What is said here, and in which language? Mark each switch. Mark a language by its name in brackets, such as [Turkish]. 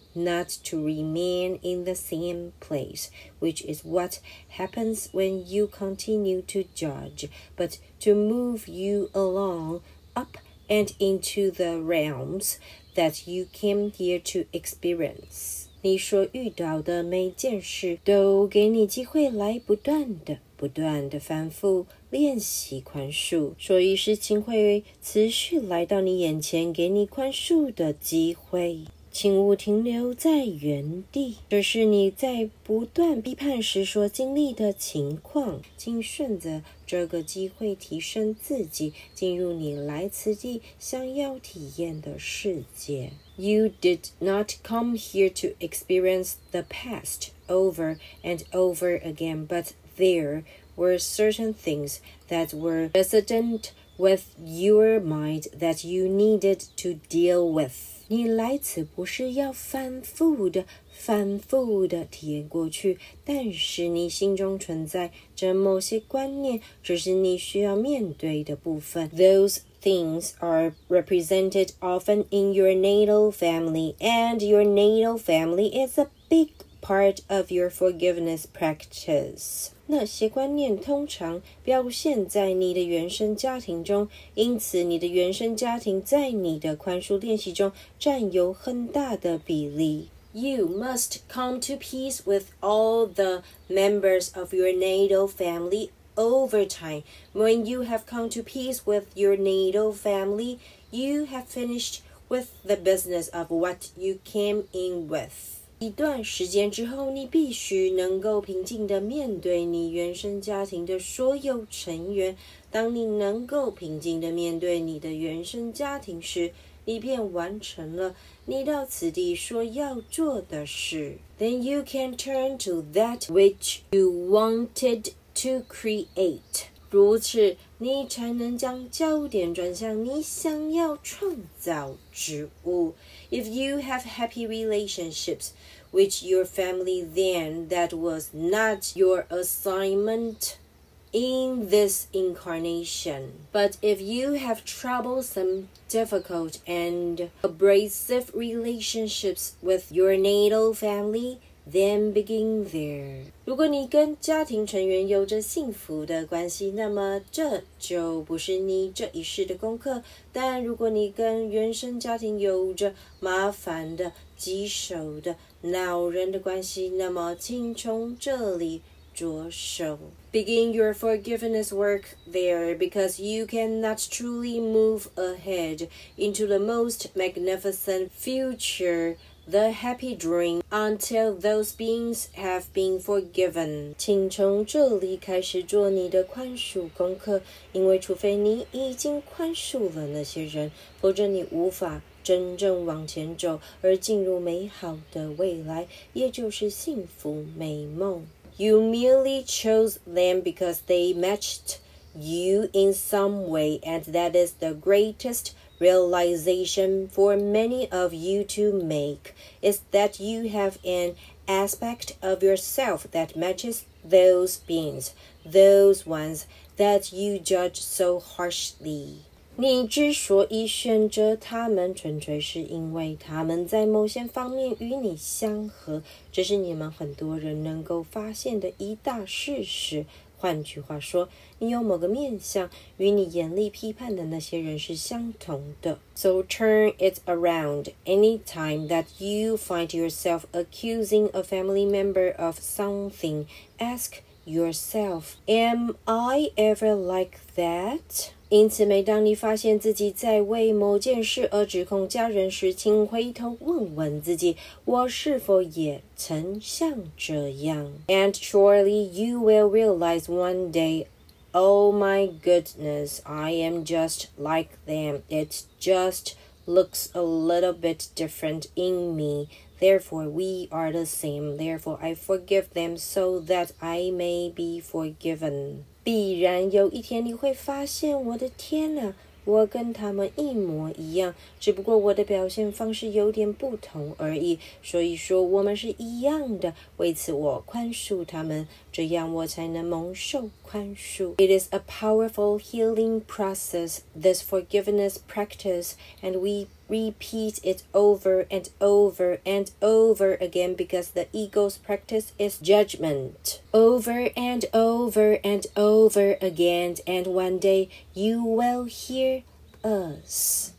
[English] Not to remain in the same place, which is what happens when you continue to judge, but to move you along up and into the realms that you came here to experience. [Chinese] 你所遇到的每件事都给你机会来不断的不断的反复练习宽恕，所以事情会持续来到你眼前给你宽恕的机会。请勿停留在原地，这是你在不断批判时所经历的情况。请顺着这个机会提升自己，进入你来此地想要体验的世界。 [English] You did not come here to experience the past over and over again, but there were certain things that were resident with your mind that you needed to deal with. [Chinese] 你来此不是要反复地体验过去，但是你心中存在着某些观念，这是你需要面对的部分。 [English] Those things are represented often in your natal family, and your natal family is a big part of your forgiveness practice. [Chinese] 那些观念通常表现在你的原生家庭中，因此你的原生家庭在你的宽恕练习中占有很大的比例。 [English] You must come to peace with all the members of your natal family over time. When you have come to peace with your natal family, you have finished with the business of what you came in with. [Chinese] 一段时间之后，你必须能够平静地面对你原生家庭的所有成员。当你能够平静地面对你的原生家庭时，你便完成了你到此地所要做的事。 [English] Then you can turn to that which you wanted to create. [Chinese] 如此，你才能将焦点转向你想要创造之物。 [English] If you have happy relationships with your family, then that was not your assignment in this incarnation. But if you have troublesome, difficult, and abrasive relationships with your natal family, then begin there. [Chinese] 如果你跟家庭成员有着幸福的关系，那么这就不是你这一世的功课。但如果你跟原生家庭有着麻烦的、棘手的、恼人的关系，那么请从这里着手。 [English] Begin your forgiveness work there, because you cannot truly move ahead into the most magnificent future. The happy dream until those beings have been forgiven. [Chinese] 请从这里开始做你的宽恕功课，因为除非你已经宽恕了那些人，否则你无法真正往前走，而进入美好的未来，也就是幸福美梦。 [English] You merely chose them because they matched you in some way, and that is the greatest realization for many of you to make is that you have an aspect of yourself that matches those beings, those ones that you judge so harshly. [Chinese] 你之所以选择他们，纯粹是因为他们在某些方面与你相合，这是你们很多人能够发现的一大事实。换句话说，你有某个面相与你严厉批判的那些人是相同的。 [English] So turn it around. Anytime that you find yourself accusing a family member of something, ask yourself, Am I ever like that? [Chinese] 因此，每当你发现自己在为某件事而指控家人时，请回头问问自己，我是否也曾像这样。 [English] And surely you will realize one day, Oh my goodness, I am just like them. It just looks a little bit different in me. Therefore, we are the same. Therefore, I forgive them so that I may be forgiven. [Chinese] 必然有一天你会发现，我的天哪，我跟他们一模一样，只不过我的表现方式有点不同而已。所以说我们是一样的，为此我宽恕他们，这样我才能蒙受宽恕。 [English] It is a powerful healing process, this forgiveness practice, and we repeat it over and over and over again because the ego's practice is judgment. Over and over and over again, and one day you will hear us.